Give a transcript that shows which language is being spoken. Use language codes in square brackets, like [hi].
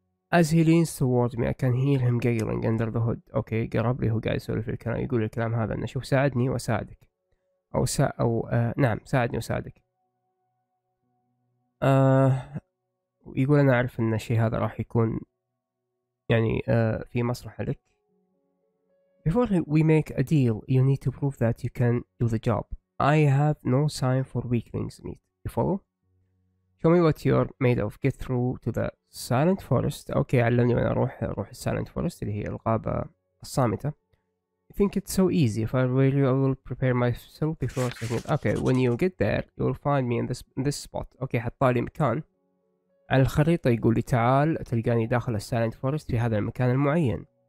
[en] As he leans towards me, I can hear him giggling under the hood. [ar] Okay, قرب لي، هو قاعد يسولف الكلام، يقول الكلام هذا، أنه شوف ساعدني وساعدك. أو نعم ساعدني وساعدك. يقول أنا أعرف أن الشيء هذا راح يكون يعني في مصلحة لك. [en] Before we make a deal, you need to prove that you can do the job. I have no sign for weaklings meet. You follow? Show me what you're made of. Get through to the silent forest. [ar] Okay, علمني وين أروح silent forest اللي هي الغابة الصامتة. [en] I think it's so easy. If I were you, I will prepare myself before setting up. Okay, when you get there, you will find me in this spot. [ar] Okay, حطالي مكان على الخريطة يقول لي تعال تلقاني داخل السايلنت فورست في هذا المكان المعين.